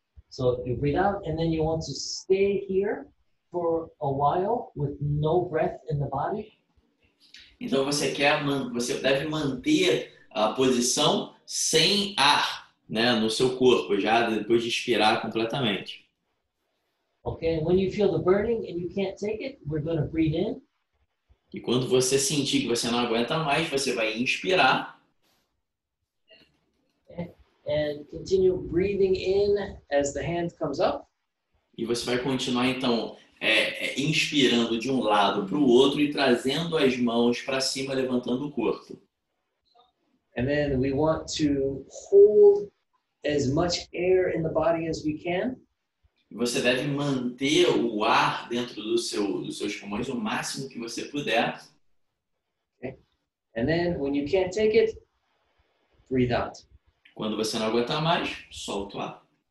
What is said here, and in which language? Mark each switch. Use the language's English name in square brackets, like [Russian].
[English] So you breathe out and then you want to stay here for a while with no breath in the body. [Portuguese] Então você quer, você deve manter a posição sem ar, né, no seu corpo, já depois de expirar completamente. [English] Okay, when you feel the burning and you can't take it, we're going to breathe in. [Portuguese] E quando você sentir que você não aguenta mais, você vai inspirar. [English] And continue breathing in as the hand comes up. [Portuguese] E você vai continuar então inspirando de um lado para o outro e trazendo as mãos para cima, levantando o corpo. [English] And then we want to hold as much air in the body as we can. [Portuguese] Você deve manter o ar dentro do dos seus pulmões o máximo que você puder. [English] Okay. And then when you can't take it, breathe out. [Portuguese] Quando você não aguenta mais, solta o ar.